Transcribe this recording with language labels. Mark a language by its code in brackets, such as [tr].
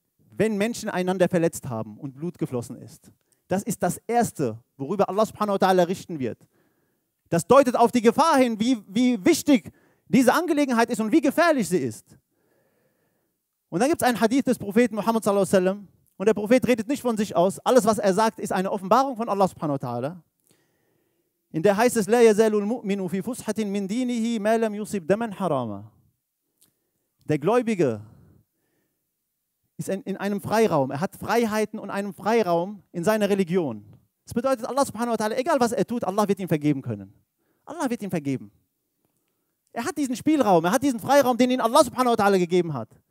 [de] Wenn Menschen einander verletzt haben und Blut geflossen ist. Das ist das Erste, worüber Allah subhanahu wa ta'ala richten wird. Das deutet auf die Gefahr hin, wie wichtig diese Angelegenheit ist und wie gefährlich sie ist. Und dann gibt es einen Hadith des Propheten Muhammad sallallahu alaihi wasallam. Und der Prophet redet nicht von sich aus. Alles, was er sagt, ist eine Offenbarung von Allah subhanahu wa ta'ala. In der heißt es, [ar] لا يزال المؤمن في فسحة من دينه ما لم يصب دما حراما. [de] Der Gläubige ist in einem Freiraum. Er hat Freiheiten und einen Freiraum in seiner Religion. Das bedeutet, Allah subhanahu wa ta'ala, egal was er tut, Allah wird ihm vergeben können. Allah wird ihm vergeben. Er hat diesen Spielraum, er hat diesen Freiraum, den ihn Allah subhanahu wa ta'ala gegeben hat.